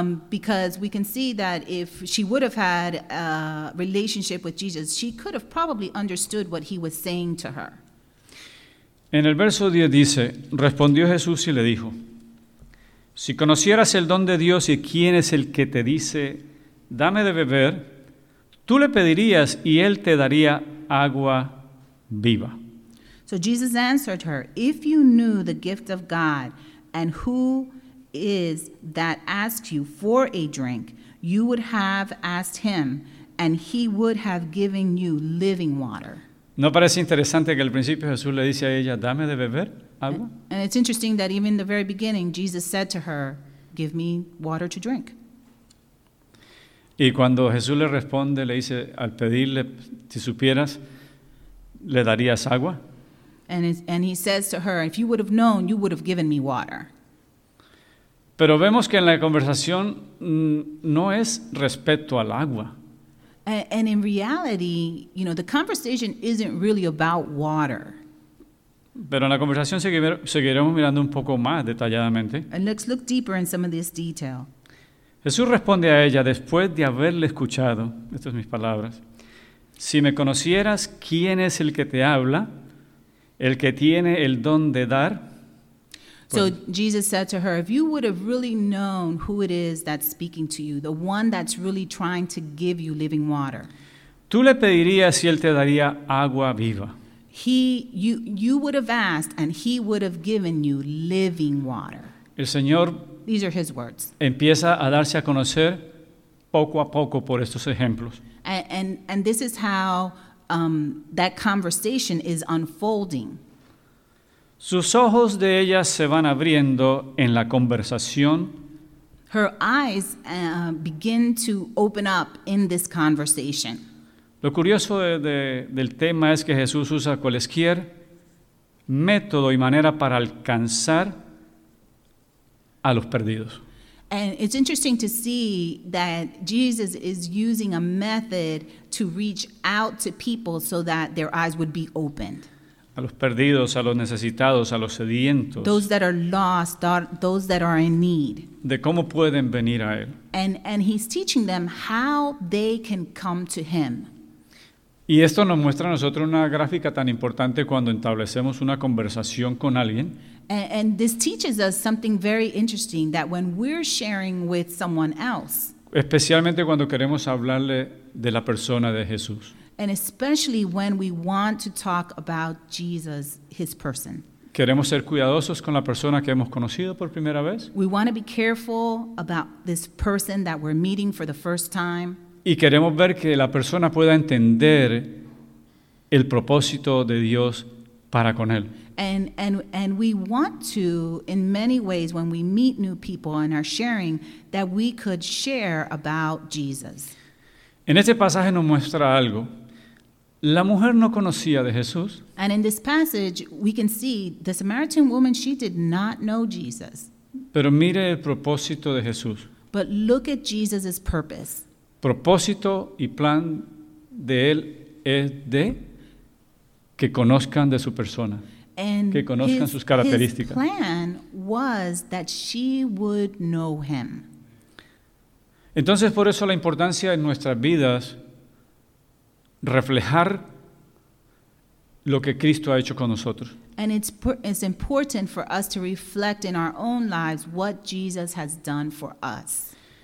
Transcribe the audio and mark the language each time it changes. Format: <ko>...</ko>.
<en>Because we can see that if she would have had a relationship with Jesus, she could have probably understood what he was saying to her.</en> <es>En el verso 10 dice, respondió Jesús y le dijo, si conocieras el don de Dios y quién es el que te dice, dame de beber, tú le pedirías y él te daría agua viva.</es> <en>So Jesus answered her, if you knew the gift of God and who is that asks you for a drink, you would have asked him, and he would have given you living water.</en> <es>¿No parece interesante que al principio Jesús le dice a ella, dame de beber agua?</es> <en>And it's interesting that even in the very beginning, Jesus said to her, give me water to drink.</en> <es>Y cuando Jesús le responde, le dice, al pedirle, si supieras, le darías agua.</es> <en>And he says to her, if you would have known, you would have given me water.</en> <es>Pero vemos que en la conversación no es respecto al agua.</es> <en>And in reality, you know, the conversation isn't really about water.</en> <es>Pero en la conversación seguiremos mirando un poco más detalladamente.</es> <en>And let's look deeper in some of this detail.</en> <es>Jesús responde a ella después de haberle escuchado, estas son mis palabras, si me conocieras, ¿quién es el que te habla? El que tiene el don de dar.</es> <en>So Jesus said to her, if you would have really known who it is that's speaking to you, the one that's really trying to give you living water.</en> <es>Tú le pedirías y él te daría agua viva.</es> <en>You would have asked and he would have given you living water.</en> <es>El Señor,</es> <en>these are his words,</en> <es>empieza a darse a conocer poco a poco por estos ejemplos.</es> <en>And this is how that conversation is unfolding.</en> <es>Sus ojos de ella se van abriendo en la conversación.</es> <en>Her eyes begin to open up in this conversation.</en> <es>Lo curioso del tema es que Jesús usa cualquier método y manera para alcanzar a los perdidos.</es> <en>And it's interesting to see that Jesus is using a method to reach out to people so that their eyes would be opened.</en> <es>A los perdidos, a los necesitados, a los sedientos.</es> <en>Those that are lost, those that are in need.</en> <es>De cómo pueden venir a él.</es> <en>And he's teaching them how they can come to him.</en> <es>Y esto nos muestra a nosotros una gráfica tan importante cuando establecemos una conversación con alguien.</es> <en>And this teaches us something very interesting that when we're sharing with someone else.</en> <es>Especialmente cuando queremos hablarle de la persona de Jesús.</es> <en>And especially when we want to talk about Jesus, his person.</en> <es>¿Queremos ser cuidadosos con la persona que hemos conocido por primera vez?</es> <en>We want to be careful about this person that we're meeting for the first time.</en> <es>Y queremos ver que la persona pueda entender el propósito de Dios para con él.</es> <en>And we want to, in many ways, when we meet new people and are sharing, that we could share about Jesus.</en> <es>En este pasaje nos muestra algo. La mujer no conocía de Jesús.</es> <en>And in this passage, we can see the Samaritan woman, she did not know Jesus.</en> <es>Pero mire el propósito de Jesús.</es> <en>But look at Jesus's purpose.</en> <es>Propósito y plan de él es de que conozcan de su persona.</es> <en>And</en> <es>que conozcan sus características.</es> <en>His plan was that she would know him.</en> <es>Entonces, por eso la importancia en nuestras vidas reflejar lo que Cristo ha hecho con nosotros.</es> <en>And it's important for us to reflect in our own lives what Jesus has done for us.</en>